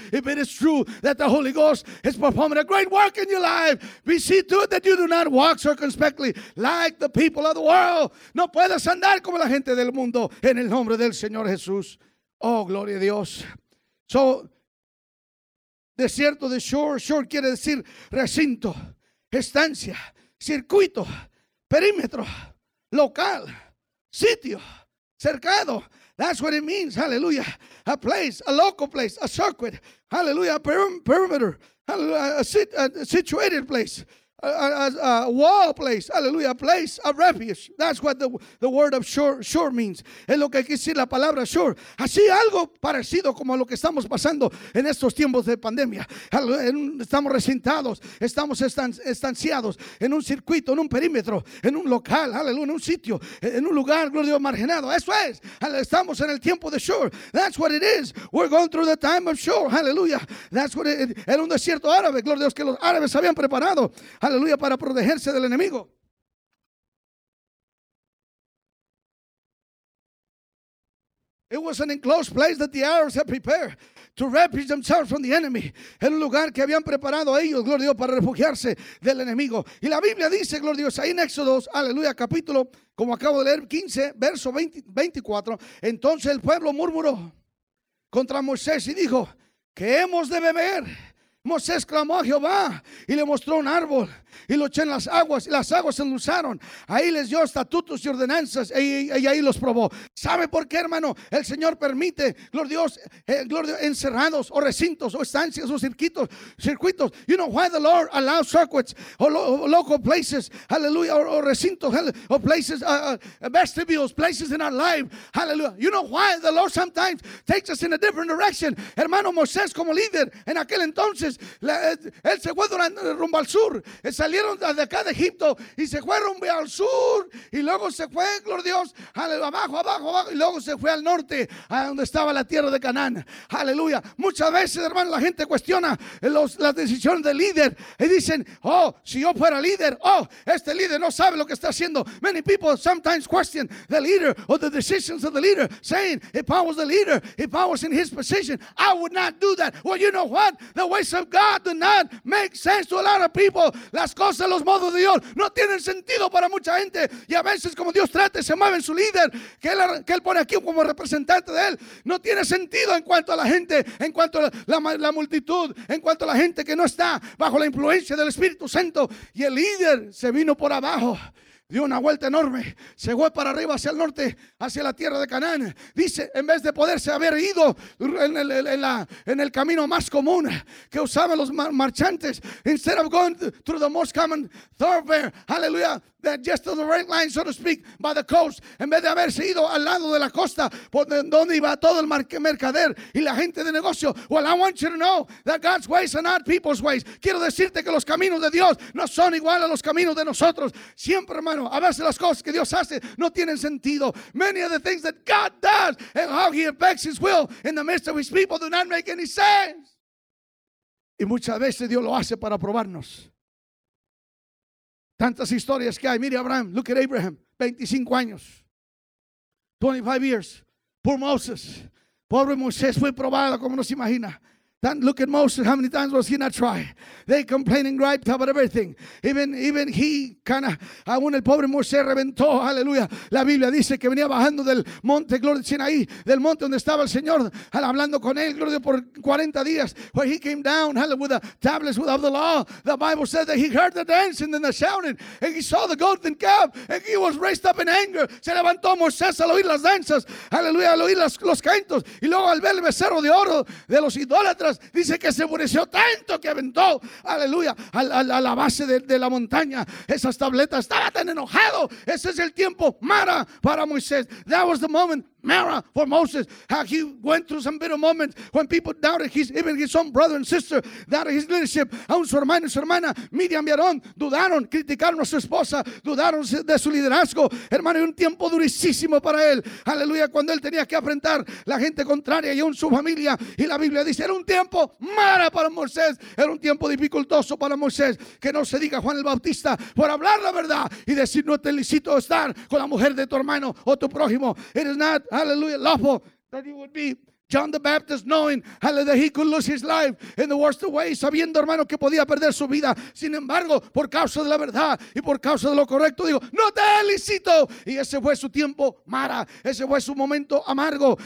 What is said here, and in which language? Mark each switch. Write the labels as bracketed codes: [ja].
[en] If it is true that the Holy Ghost is performing a great work in your life, we see to it that you do not walk circumspectly like the people of the world. [es] No puedes andar como la gente del mundo en el nombre del Señor Jesús. Oh, gloria a Dios. So, desierto de shore. Shore quiere decir recinto, estancia, circuito, perímetro, local, sitio, cercado. [en] That's what it means, hallelujah. A place, a local place, a circuit, hallelujah, perimeter, hallelujah, a situated place. A wall place, hallelujah, a place of refuge. That's what the word of shore means. [es] Es lo que quiere decir la palabra shore. Así algo parecido como a lo que estamos pasando en estos tiempos de pandemia. Estamos recintados, estamos estanciados en un circuito, en un perímetro, en un local, hallelujah, en un sitio, en un lugar, gloria a Dios, marginado. Eso es. Estamos en el tiempo de shore. [en] That's what it is. We're going through the time of shore, hallelujah. That's what it is. [es] Era un desierto árabe, gloria a Dios, que los árabes habían preparado. Aleluya, para protegerse del enemigo. [en] It was an enclosed place that the Arabs had prepared to refuge themselves from the enemy. [es] Era un lugar que habían preparado ellos, gloria a Dios, para refugiarse del enemigo. Y la Biblia dice, gloria a Dios, ahí en Éxodos, aleluya, capítulo, como acabo de leer, 15, verso 20, 24. Entonces el pueblo murmuró contra Moisés y dijo, ¿qué hemos de beber? Moisés clamó a Jehová y le mostró un árbol y lo echó en las aguas y las aguas se endulzaron. Ahí les dio estatutos y ordenanzas y ahí los probó. ¿Sabe por qué, hermano? El Señor permite, gloria a Dios, encerrados o recintos o estancias o circuitos. [en] You know why the Lord allows circuits or local places, hallelujah, or recintos or places, vestibules, places in our life, hallelujah. You know why the Lord sometimes takes us in a different direction. [es] Hermano, Moisés como líder en aquel entonces, él se fue rumbo al sur, salieron de acá de Egipto y se fue rumbo al sur y luego se fue, gloria a Dios, abajo, y luego se fue al norte a donde estaba la tierra de Canaán, aleluya. Muchas veces, hermano, la gente cuestiona las decisiones del líder y dicen, oh, si yo fuera líder, oh, este líder no sabe lo que está haciendo. [en] Many people sometimes question the leader or the decisions of the leader, saying, if I was the leader, if I was in his position, I would not do that. Well, you know what, the way of God do not make sense to a lot of people. [es] Las cosas, los modos de Dios no tienen sentido para mucha gente. Y a veces como Dios trata y se mueve en su líder que él pone aquí como representante de él, no tiene sentido en cuanto a la gente, en cuanto a la multitud, en cuanto a la gente que no está bajo la influencia del Espíritu Santo. Y el líder se vino por abajo, dio una vuelta enorme, se fue para arriba hacia el norte, hacia la tierra de Canaán. Dice, en vez de poderse haber ido en el camino más común que usaban los marchantes, [en] instead of going through the most common thoroughfare, hallelujah, that just to the right line, so to speak, by the coast, [es] en vez de haberse ido al lado de la costa, por donde iba todo el mercader y la gente de negocio. [en] Well, I want you to know that God's ways are not people's ways. [es] Quiero decirte que los caminos de Dios no son igual a los caminos de nosotros. Siempre, hermano, a veces las cosas que Dios hace no tienen sentido. [en] Many of the things that God does and how he affects his will in the midst of his people do not make any sense. [es] Y muchas veces Dios lo hace para probarnos. Tantas historias que hay. Mire Abraham, [en] look at Abraham, [es] 25 años, [en] 25 years, poor Moses, [es] pobre Moisés, fue probado como no se imagina. [en] Then look at Moses, how many times was he not tried? They complained and griped about everything. Even he kind of, [es] aún el pobre Moisés reventó, aleluya. La Biblia dice que venía bajando del monte, gloria de Sinaí, del monte donde estaba el Señor, hablando con él, gloria, por 40 días. [en] Where he came down, hallelujah, with the tablets of the law. The Bible said that he heard the dancing and the shouting, and he saw the golden calf, and he was raised up in anger. [es] Se levantó Moisés al oír las danzas, aleluya, al oír los cantos, y luego al ver el becerro de oro de los idólatras. Dice que se enfureció tanto que aventó, aleluya, a la base de la montaña esas tabletas. Estaba tan enojado. Ese es el tiempo Mara para Moisés. [en] That was the moment Mara for Moses. How he went through some bitter moments when people doubted even his own brother and sister, doubted his leadership. [es] Aún su hermano y su hermana Miriam y Aarón dudaron, criticaron a su esposa, dudaron de su liderazgo. Hermano, y un tiempo durísimo para él, aleluya, cuando él tenía que enfrentar la gente contraria y aún su familia. Y la Biblia dice, era un tiempo Mara para Moisés, era un tiempo dificultoso para Moisés, que no se diga Juan el Bautista por hablar la verdad y decir, no te licito estar con la mujer de tu hermano o tu prójimo. [en] It is not, hallelujah, lawful that he would be John the Baptist, knowing, hallelujah, that he could lose his life in the worst way, [es] sabiendo, hermano, que podía perder su vida. Sin embargo, por causa de la verdad y por causa de lo correcto, digo, no te licito. Y ese fue su tiempo Mara, ese fue su momento amargo.